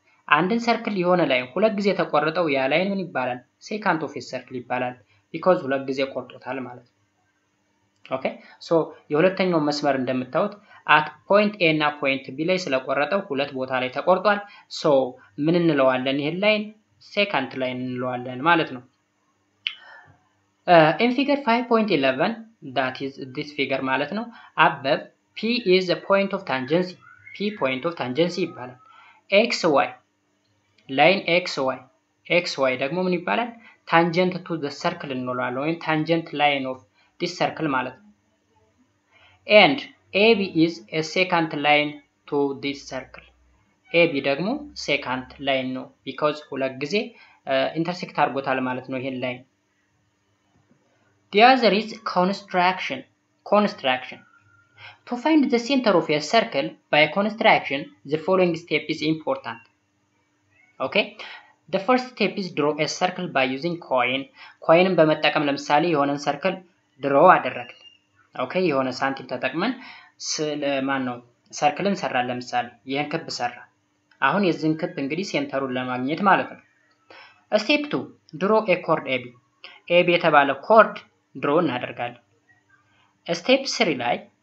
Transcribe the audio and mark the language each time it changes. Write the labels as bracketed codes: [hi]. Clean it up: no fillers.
[am] አንድን ሰርክል የሆነ ላይን ሁለት ጊዜ ተቆረጠው ያ ላይን ምን ይባላል? [en] secant of a circle [am] ይባላል because ሁለት ጊዜ ቆርጦታል ማለት ነው። Okay, so የሁለተኛው መስመር እንደምታውቁት [en] at point a [am] na point b ላይ ስለቆረጠው ሁለት ቦታ ላይ ተቆርጧል. So ምን እንለዋለን ይሄ ላይን? Second line እንለዋለን ማለት ነው. [en] In figure 5.11, that is this figure [am] ማለት ነው. [en] Above p is a point of tangency. P point of tangency ይባላል. XY line XY. [am] XY ደግሞ ምን ይባላል? [en] Tangent to the circle [am] እንለዋለን ወይ [en] tangent line of this circle [am] ማለት ነው. [en] And AB is a second line to this circle. [am] AB ደግሞ second line ነው because ሁለት ጊዜ intersect አርጎታል ማለት ነው ይሄን line. [en] The other is construction. Construction. To find the center of a circle by construction, the following step is important. Okay? The first step is draw a circle by using coin. [am] Coin በመጠቀም ለምሳሌ የሆነን circle draw አደረግን. Okay? የሆነ ሳንቲም ተጠቅመን ስለማን ነው ሰርክልን ሰራ ለምሳሌ ይሄን ክብ ሰራ አሁን የዚህን ክብ እንግዲህ ሴንተሩን ለማግኘት ማለት ነው ስቴፕ 2 [en] ድሮ ኤ ኮርድ ኤቢ [am] ኤቢ የተባለ ኮርድ ድሮ እናደርጋለን ስቴፕ 3 ላይ